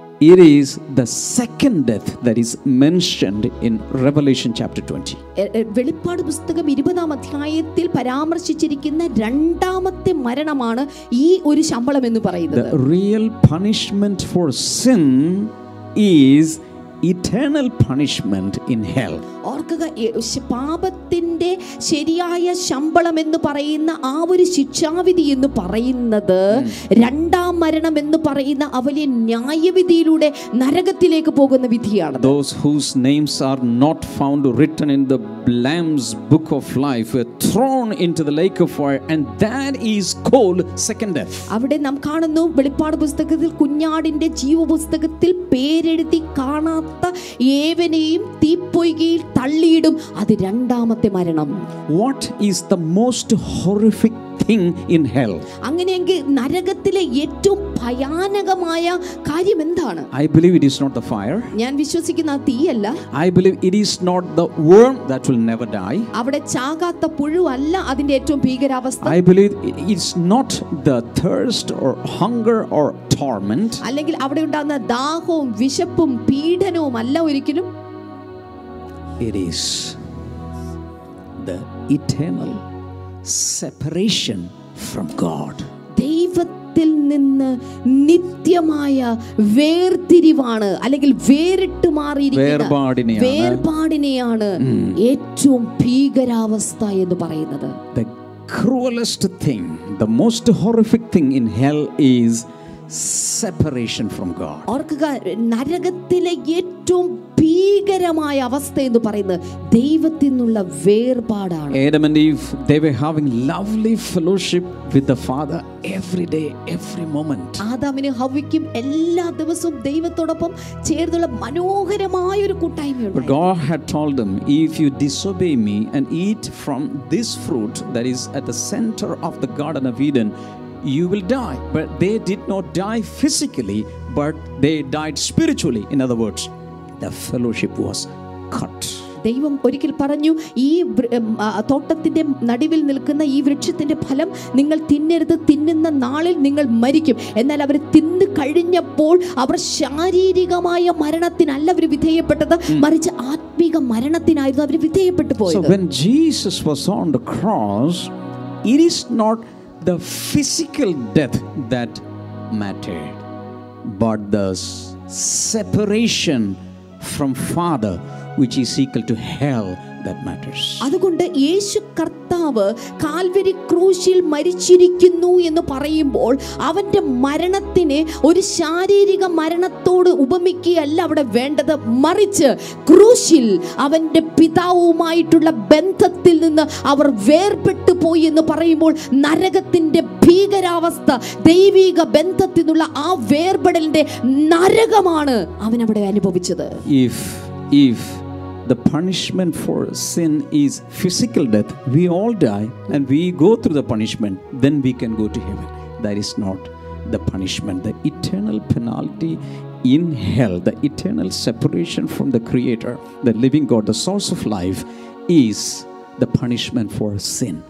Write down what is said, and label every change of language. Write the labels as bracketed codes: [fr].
[en] It is the second death that is mentioned in Revelation chapter 20. [ml] വെളിപ്പാട് പുസ്തകം 20-ാം അധ്യായത്തിൽ പരാമർശിച്ചിരിക്കുന്ന രണ്ടാമത്തെ മരണമാണ് ഈ ഒരു ശമ്പളം എന്ന് പറയുന്നത്. [en] The real punishment for sin is eternal punishment in hell. [ml] ഓർക്കുക, പാപത്തിന്റെ ശരിയായ ശമ്പളം എന്ന് പറയുന്ന ആ ഒരു ശിക്ഷാവിധി എന്ന് പറയുന്നത് രണ്ടാം മരണം എന്ന് പറയുന്ന അവലിയ ന്യായവിധിയിലൂടെ നരകത്തിലേക്ക് പോകുന്ന വിധിയാണ്. [en] Those whose names are not found written in the Lamb's book of life were thrown into the lake of fire, and that is called second death. [ml] അവിടെ നാം കാണുന്നു വെളിപ്പാട് പുസ്തകത്തിൽ കുഞ്ഞാടിന്റെ ജീവപുസ്തകത്തിൽ പേരെഴുതി കാണാത്ത ഏവനെയും തീപ്പൊയ്കയിൽ തള്ളിയിടും, അത് രണ്ടാമത്തെ മരണം. [en] What is the most horrific thing in hell? [ml] അങ്ങനെയെങ്കിൽ നരകത്തിലെ ഏറ്റവും ഭയാനകമായ കാര്യം എന്താണ്? [en] I believe it is not the fire. [ml] ഞാൻ വിശ്വസിക്കുന്ന തീയല്ല. [en] I believe it is not the worm that will never die. [ml] അവിടെ ചാകാത്ത പുഴുവല്ല അതിന്റെ ഏറ്റവും ഭീകരാവസ്ഥ. [en] I believe it is not the thirst or hunger or torment. [ml] അല്ലെങ്കിൽ അവിടെ ഉണ്ടാകുന്ന ദാഹവും വിശപ്പും പീഡനവും അല്ല ഒരിക്കലും. [en] It is the eternal separation from God. [ml] ദൈവത്തിൽ നിന്ന് നിത്യമായ വേർതിരിവാണ്, അല്ലെങ്കിൽ വേറിട്ട് മാറിയിരിക്കുന്ന വേർപാടിനെയാണ് ഏറ്റവും ഭീകരാവസ്ഥ എന്ന് പറയുന്നത്. [en] The cruelest thing, the most horrific thing in hell is separation from God. [ml] ഓർക്കുക, നരകത്തിലെ ഏറ്റവും ഭീകരമായ അവസ്ഥ എന്ന് പറയുന്നത് ദൈവത്തിൽ നിന്നുള്ള വേർപാടാണ്. [en] Adam and Eve, they were having lovely fellowship with the Father every day, every moment. [ml] ആദാമിനും ഹവ്വയ്ക്കും എല്ലാ ദിവസവും ദൈവത്തോടൊപ്പം ചേർന്നുള്ള മനോഹരമായ ഒരു കൂട്ടായ്മയുണ്ട്. [en] God had told them, if you disobey me and eat from this fruit that is at the center of the Garden of Eden, you will die. But they did not die physically, but they died spiritually. In other words, the fellowship was cut. [ml] ദൈവം ഒരിക്കൽ പറഞ്ഞു, ഈ തോട്ടത്തിന്റെ നടുവിൽ നിൽക്കുന്ന ഈ വൃക്ഷത്തിന്റെ ഫലം നിങ്ങൾ തിന്നരുത്, തിന്നുന്ന നാളിൽ നിങ്ങൾ മരിക്കും. എന്നാൽ അവർ തിന്നു കഴിഞ്ഞപ്പോൾ അവർ ശാരീരികമായ മരണത്തിനല്ല അവർ വിധേയപ്പെട്ടത്, മറിച്ച് ആത്മീക മരണത്തിനായിരുന്നു അവർ വിധേയപ്പെട്ടു പോയത്. [en] So when Jesus was on the cross, it is not the physical death that mattered, but the separation from Father, which is equal to hell, that matters. [ml] അതുകൊണ്ട് യേശു കർത്താവ് കാൽവരി ക്രൂശിൽ മരിച്ചിരിക്കുന്നു എന്ന് പറയുമ്പോൾ അവന്റെ മരണത്തിനെ ഒരു ശാരീരിക മരണത്തോട് ഉപമിക്കുകയല്ല അവിടെ വേണ്ടത്, മറിച്ച് ക്രൂശിൽ അവന്റെ പിതാവുമായിട്ടുള്ള ബന്ധത്തിൽ നിന്ന് അവർ വേർപെട്ടു പോയി എന്ന് പറയുമ്പോൾ നരകത്തിന്റെ ഭീകരാവസ്ഥ, ദൈവീക ബന്ധത്തിനുള്ള ആ വേർപെടലിന്റെ നരകമാണ് അവൻ അവിടെ അനുഭവിച്ചത്. [en] If the punishment for sin is physical death. We all die and we go through the punishment, then we can go to heaven. That is not the punishment. The eternal penalty in hell, the eternal separation from the Creator, the living God, the source of life, is the punishment for sin.